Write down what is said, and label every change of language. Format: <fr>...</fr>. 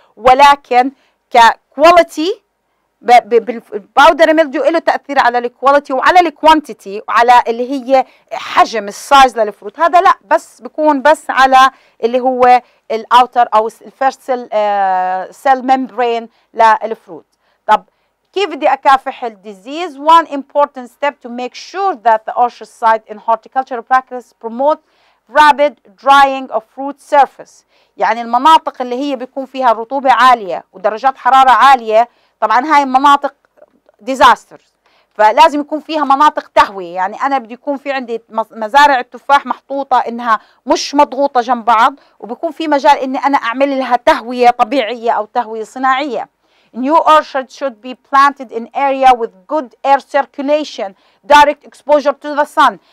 <ar>ولكن ككواليتي بالباودر ميلديو له تأثير على الكواليتي وعلى الكوانتيتي وعلى اللي هي حجم السايز للفروت، هذا لا، بس بكون بس على اللي هو الاوتر او الفيرست سيل ميمبرين للفروت. طب كيف بدي اكافح الديزيز؟</ar> <en>One important step to make sure that the herbicide in horticultural practice promote rapid drying of fruit surface.</en> <ar>يعني المناطق اللي هي بيكون فيها رطوبة عالية ودرجات حرارة عالية، طبعا هاي المناطق ديزاستر، فلازم يكون فيها مناطق تهوية. يعني انا بدي يكون في عندي مزارع التفاح محطوطة انها مش مضغوطة جنب بعض، وبيكون في مجال اني انا اعمل لها تهوية طبيعية او تهوية صناعية.</ar> <en>New orchards should be planted in area with good air circulation, direct exposure to the sun.</en>